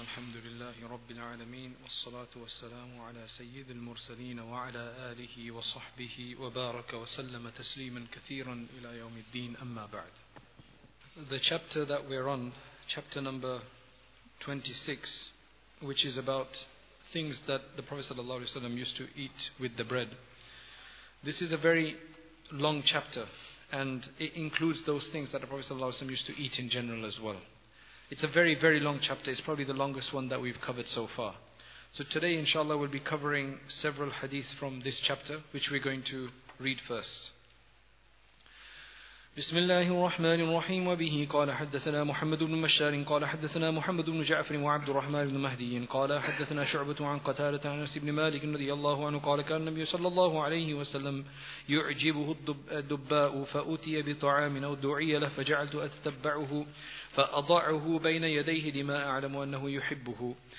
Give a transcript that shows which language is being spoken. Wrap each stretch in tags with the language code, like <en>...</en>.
<ar>الحمد لله رب العالمين، والصلاة والسلام على سيد المرسلين وعلى آله وصحبه وبارك وسلم تسليما كثيرا إلى يوم الدين، أما بعد.</ar> <en>The chapter that we're on, chapter number 26, which is about things that the Prophet</en> <ar>صلى الله عليه وسلم</ar> <en>used to eat with the bread. This is a very long chapter, and it includes those things that the Prophet</en> <ar>صلى الله عليه وسلم</ar> <en>used to eat in general as well. It's a very, very long chapter. It's probably the longest one that we've covered so far. So today, inshallah, we'll be covering several hadith from this chapter, which we're going to read first.</en> <ar>بسم الله الرحمن الرحيم وبه قال حدثنا محمد بن مشار قال حدثنا محمد بن جعفر وعبد الرحمن بن مهدي قال حدثنا شعبة عن قتالة عن أنس بن مالك رضي الله عنه قال كان النبي صلى الله عليه وسلم يعجبه الدباء فأتي بطعام أو دعي له فجعلت أتتبعه فأضعه بين يديه لما أعلم أنه يحبه.</ar>